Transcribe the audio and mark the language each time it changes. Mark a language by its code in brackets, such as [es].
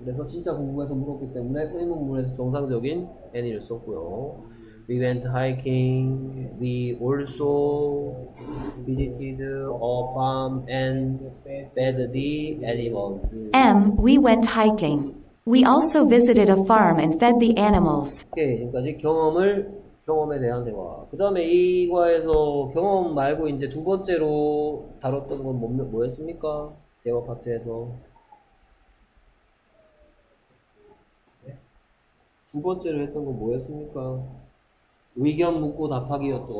[ko] 그래서 진짜 궁금해서 물었기 때문에 의문문에서 정상적인 any를 썼고요. [en] We went hiking. We also visited a farm and fed the animals. M, we went hiking. We also visited a farm and fed the animals. [ko] 오케이. 지금까지 경험에 대한 대화. 그 다음에 이 과에서 경험 말고 이제 두 번째로 다뤘던 건 뭐였습니까? 대화 파트에서. 두 번째로 했던 건 뭐였습니까? 의견 묻고 답하기였죠.